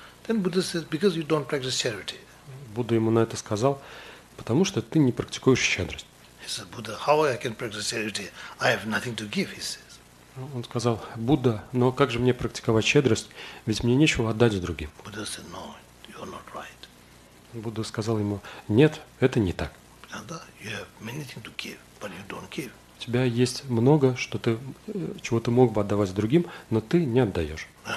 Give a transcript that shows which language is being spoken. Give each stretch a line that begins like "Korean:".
English: Then Buddha says, because you don't practice charity.
Russian: Будда ему на это сказал: потому что ты не практикуешь щедрость.
English: He said, Buddha, how I can practice charity? I have nothing to give. He says.
Russian: Он сказал: Будда, но как же мне практиковать щедрость? Ведь мне нечего отдать другим.
English: Buddha said, no, you're not right.
Russian: Будда сказал ему: нет, это не так.
English: Да, you have many things to give, but you don't give.
Russian: У тебя есть много, что ты, чего ты мог бы отдавать другим, но ты не отдаешь.